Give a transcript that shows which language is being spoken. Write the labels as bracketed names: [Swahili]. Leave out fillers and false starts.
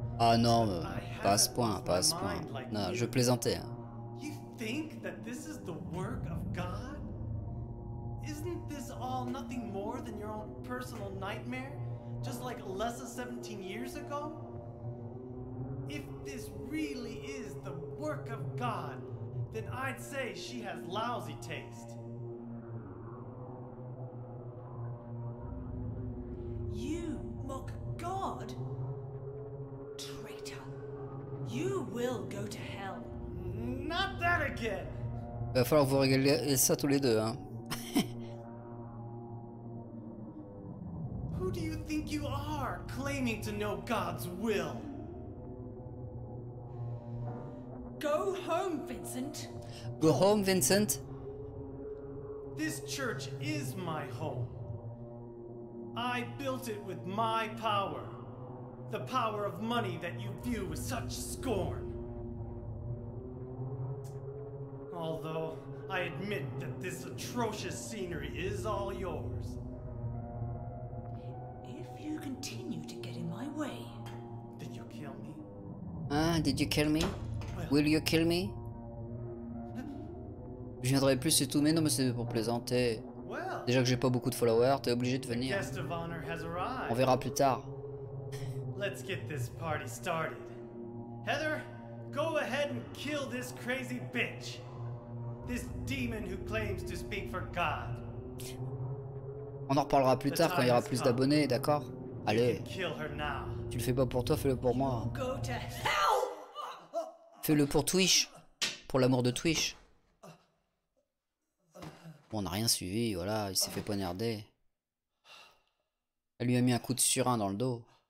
[French] Ah non, pas à ce point, pas à ce point. Non, je plaisantais. [English] You think that this is the work of God? Isn't this all nothing more than your own personal nightmare? Just like less than 17 years ago? If this really is the work of God, then I'd say she has lousy taste. You mock God? Traitor. You will go to hell. Not that again. [French] Va falloir vous régler ça tous les deux, hein. [English] Who do you think you are, claiming to know God's will? Go home, Vincent. Go home, Vincent. This church is my home. I built it with my power. The power of money that you view with such scorn. Although, I admit that this atrocious scenery is all yours. If you continue to get in my way... Did you kill me? Did you kill me? Well, will you kill me? [French] Je viendrai plus et tout, mais non, mais c'est pour plaisanter. Déjà que j'ai pas beaucoup de followers, t'es obligé de venir. On verra plus tard. [English] Let's get this party started. Heather, go ahead and kill this crazy bitch. This demon who claims to speak for God. [French] On en reparlera plus tard quand il y aura plus d'abonnés, d'accord? Allez. Tu le fais pas pour toi, fais-le pour moi. Fais-le pour Twitch. Pour l'amour de Twitch. On n'a rien suivi, voilà, il s'est fait poignarder. Elle lui a mis un coup de surin dans le dos.